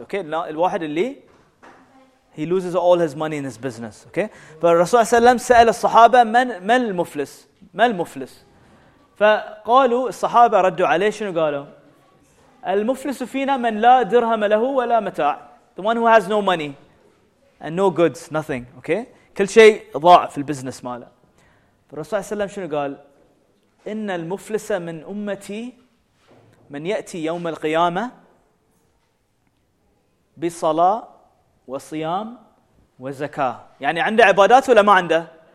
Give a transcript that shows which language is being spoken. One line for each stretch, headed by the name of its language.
English: Okay,
Arabic: لا, الواحد اللي
English: he loses all his money in his business. Okay,
Arabic: but Rasulullah sallam سأل الصحابة من المفلس, ما المفلس؟ فقالوا الصحابة ردوا عليه شنو قالوا؟ المفلس فينا من لا درهم له ولا متاع.
English: The one who has no money and no goods, nothing. Okay,
Arabic: كل شيء ضاع في البزنس ماله. فرسول سلم شنو قال؟ إن المفلس من أمتي من يأتي يوم القيامة بصلاة وصيام وزكاة. يعني عنده عبادات ولا ما عنده؟